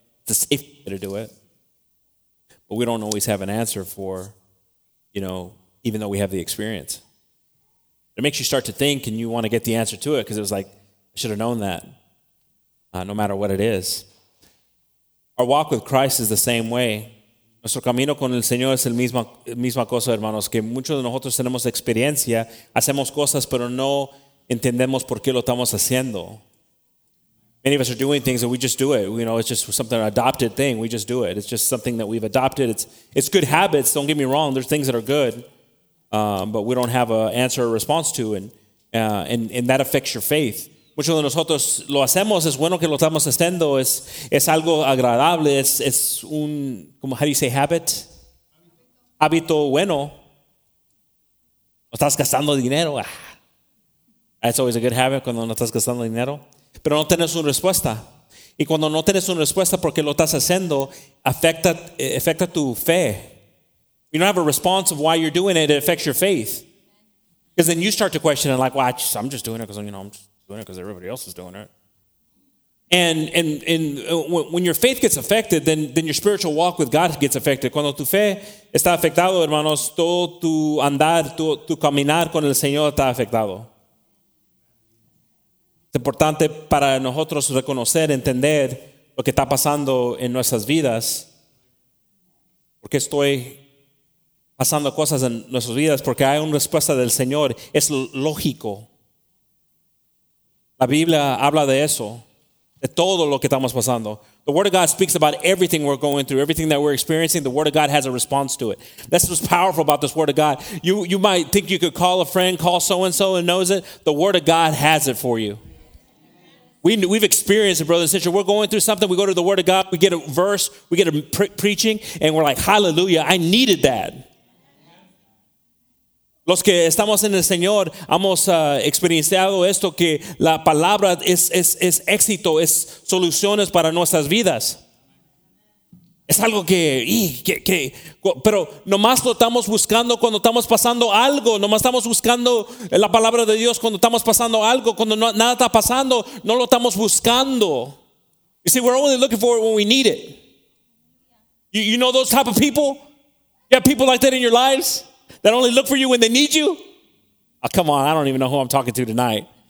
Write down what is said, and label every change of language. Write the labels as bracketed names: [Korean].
[English] It's a safe way to do it. But we don't always have an answer for, you know, even though we have the experience. It makes you start to think and you want to get the answer to it because it was like, I should have known that, no matter what it is. Our walk with Christ is the same way. [Spanish] Nuestro camino con el Señor es el misma cosa, hermanos, que muchos de nosotros tenemos experiencia, hacemos cosas, pero no entendemos por qué lo estamos haciendo. [English] Many of us are doing things and we just do it. You know, it's just something, an adopted thing. We just do it. It's just something that we've adopted. It's good habits. Don't get me wrong. There's things that are good, but we don't have an answer or response to, and that affects your faith. [Spanish] Muchos de nosotros lo hacemos. Es bueno que lo estamos haciendo. Es algo agradable. Es un, como, [English] how do you say, habit? [Spanish] Hábito bueno. Estás gastando dinero. [English] That's always a good habit [Spanish] cuando no estás gastando dinero. Pero no tienes una respuesta. Y cuando no tienes una respuesta porque lo estás haciendo, afecta tu fe. [English] You don't have a response of why you're doing it, it affects your faith. Because then you start to question it like, well, I'm just doing it because, you know, I'm just doing it because everybody else is doing it. And when your faith gets affected, then your spiritual walk with God gets affected. [Spanish] Cuando tu fe está afectado, hermanos, todo tu andar, tu caminar con el Señor está afectado. Es importante para nosotros reconocer, entender lo que está pasando en nuestras vidas. Porque estoy pasando cosas en nuestras vidas. Porque hay una respuesta del Señor. Es lógico. La Biblia habla de eso, de todo lo que estamos pasando. [English] The Word of God speaks about everything we're going through, everything that we're experiencing. The Word of God has a response to it. That's what's powerful about this Word of God. You might think you could call a friend, call so-and-so and knows it. The Word of God has it for you. We've experienced it, brother and sister. We're going through something. We go to the Word of God. We get a verse. We get a preaching. And we're like, hallelujah, I needed that. [Spanish] Los que estamos en el Señor, hemos experienciado esto, que la palabra es éxito, es soluciones para nuestras vidas. Es algo que pero nomás lo estamos buscando cuando estamos pasando algo. Nomás estamos buscando la palabra de Dios cuando estamos pasando algo. Cuando no, nada está pasando, no lo estamos buscando. [English] You see, we're only looking for it when we need it. You know those type of people? You have people like that in your lives? That only look for you when they need you? Oh, come on, I don't even know who I'm talking to tonight.